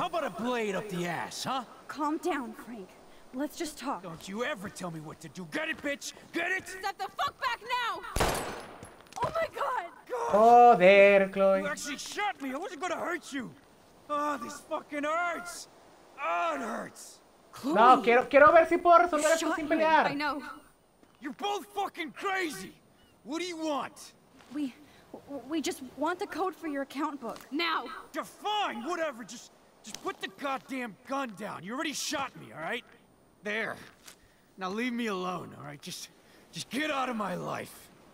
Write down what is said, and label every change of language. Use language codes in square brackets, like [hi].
[en] How about a blade up the ass, huh? Calm down, Frank. Let's just talk. Don't you ever tell me what to do. Get it, bitch? Get it? Step the fuck back now! Oh my god! [es] Joder, Chloe. [en] You actually shot me. I wasn't gonna hurt you. Oh, this fucking hurts. Oh, it hurts. Chloe. [es] No, quiero ver si puedo resolver esto sin pelear. [en] I know. You're both fucking crazy. What do you want? We just want the code for your account book. Now! You're fine, whatever. Just put the goddamn gun down. You already shot me, alright? There. Now leave me alone, alright? Just get out of my life.